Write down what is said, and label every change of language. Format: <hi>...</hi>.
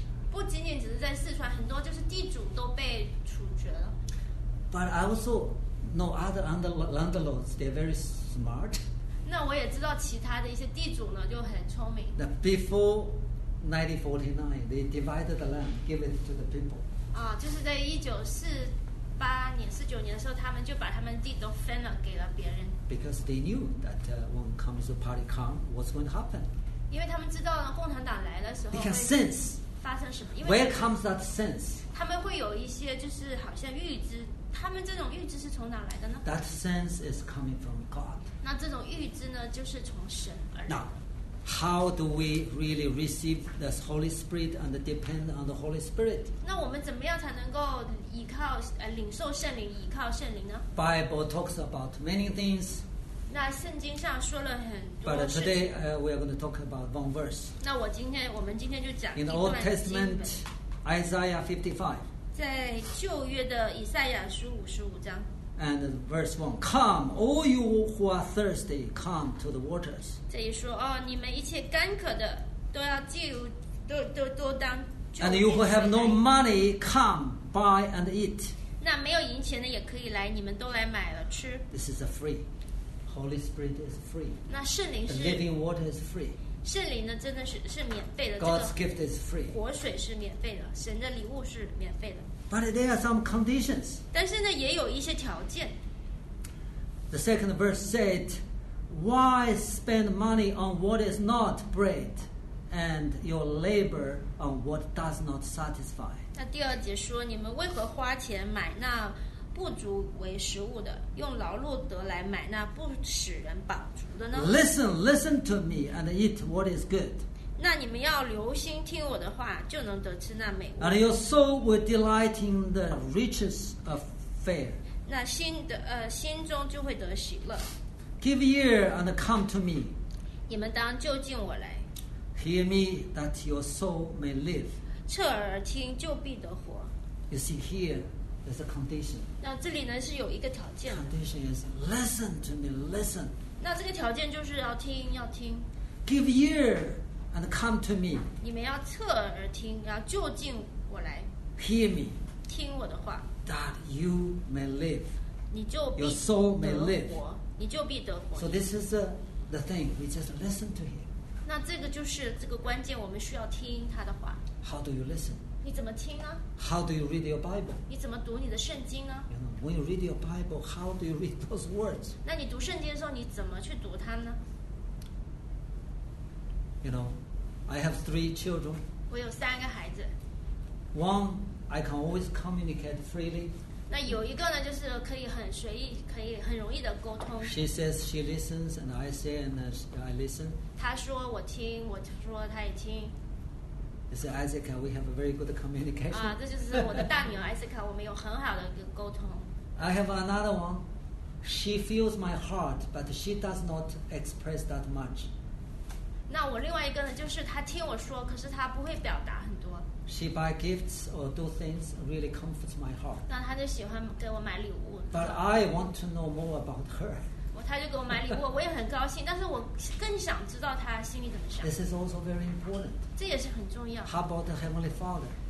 <zh>不仅仅只是在四川，很多就是地主都被处决了。</zh> <en>But I also know other landlords; they're very smart.</en> <zh>那我也知道其他的一些地主呢，就很聪明。</zh> <en>Now, before 1949, they divided the land, give it to the people.</en> <zh>就是在1948年、1949年的时候，他们就把他们地都分了，给了别人。</zh> <en>Because they knew that when Communist Party come, what's going to happen?</en> <zh>因为他们知道呢，共产党来的时候。</zh> <en>They can sense.</en> <zh>发生什么？因为。</zh> <en>Where comes that sense?</en> <zh>他们会有一些就是好像预知，他们这种预知是从哪来的呢</zh> <en>？That sense is coming from God.</en> <zh>那这种预知呢，就是从神而来。</zh> <en>Now, how do we really receive the Holy Spirit and depend on the Holy Spirit?</en> <zh>那我们怎么样才能够？领受圣灵，依靠圣灵呢</zh> <en>？Bible talks about many things.</en> <zh>那圣经上说了很多。</zh> <en>But today, we are going to talk about one verse.</en> <zh>那我们今天就讲一段经</zh> <en>文。In the Old Testament, Isaiah 55.</en> <zh>在旧约的以赛亚书55章。</zh> <en>And verse 1, Come, all you who are thirsty, come to the waters.</en> <zh>这里说哦，你们一切干渴的都要进入，都当。</zh> <en>And you who have no money, come. Buy and eat.</en> <zh>那没有银钱的也可以来，你们都来买了吃。</zh> <en>This is a free. Holy Spirit is free.</en> <zh>那圣灵是。</zh> <en>The living water is free.</en> <zh>圣灵呢，真的是免费的。</zh> <en>God's gift is free.</en> <zh>活水是免费的，神的礼物是免费的。</zh> <en>But there are some conditions.</en> <zh>但是呢，也有一些条件。</zh> <en>The second verse said, "Why spend money on what is not bread, and your labor on what does not satisfy?"</en> <zh>那第二节说，你们为何花钱买那不足为食物的，用劳碌得来买那不使人饱足的呢</zh> <en>？Listen to me and eat what is good.</en> <zh>那你们要留心听我的话，就能得吃那美味。</zh> <en>And your soul will delight in the richest affair.</en> <zh>那心中就会得喜乐。</zh> <en>Give ear and come to me.</en> <zh>你们当就近我来。</zh> <en>Hear me that your soul may live.</en> <zh>侧耳听就必得活。</zh> <en>You see here, there's a condition.</en> <zh>那这里呢是有一个条件。</zh> <en>Condition is listen to me, listen.</en> <zh>那这个条件就是要听。</zh> <en>Give ear and come to me.</en> <zh>你们要侧耳听，要就近我来。</zh> <en>Hear me.</en> <zh>听我的话。</zh> <en>That you may live.</en> <zh>你就必</zh> <en>Your soul may live.</en> <zh>你就必得活。</zh> <en>So this is the thing. We just listen to him.</en> <zh>那这个就是这个关键，我们需要听他的话。</zh> <en>How do you listen?</en> <zh>你怎么听呢</zh> <en>？How do you read your Bible?</en> <zh>你怎么读你的圣经呢</zh> <en>？You know, when you read your Bible, how do you read those words?</en> <zh>那你读圣经的时候，你怎么去读它呢</zh> <en>？You know, I have 3 children.</en> <zh>我有3个孩子。</zh> <en>One, I can always communicate freely.</en> <zh>那有一个呢，就是可以很随意，可以很容易的沟通。</zh> <en>She says she listens, and I say and I listen.</en> <zh>她说我听，我说她也听。</zh> <en>So Isaac, we have a very good communication.</en> <zh>这就是我的大女儿 Isaac， 我们有很好的一个沟通。</zh> <en>I have another one. She feels my heart, but she does not express that much.</en> <zh>那我另外一个呢，就是她听我说，可是她不会表达很多。</zh> <en>She buy gifts or do things really comforts my heart.</en> <zh>那她就喜欢给我买礼物。</zh> <en>But I want to know more about her.</en> <zh>她就给我买礼物，我也很高兴，但是我更想知道她心里怎么想。</zh> <en>This is also very important.</en> <zh>这也是很重要。</zh> <en>How about the Heavenly Father?</en>